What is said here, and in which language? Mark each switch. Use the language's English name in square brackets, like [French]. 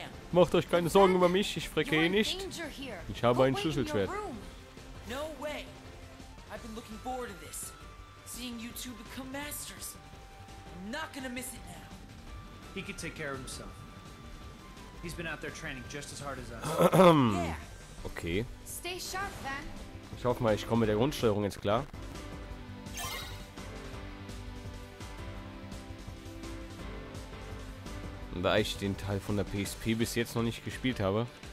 [German] Macht euch keine Sorgen über mich, ich frecke hier nicht. Ich habe ein Schlüsselschwert. [English] No way. I've been looking forward to this. Seeing you two become masters. I'm not gonna miss it now. He could take care of himself. He's been out there training just as hard as us. Okay. Stay sharp, then. [German] Ich hoffe mal, ich komme mit der Grundsteuerung jetzt klar. Da ich den Teil von der PSP bis jetzt noch nicht gespielt habe.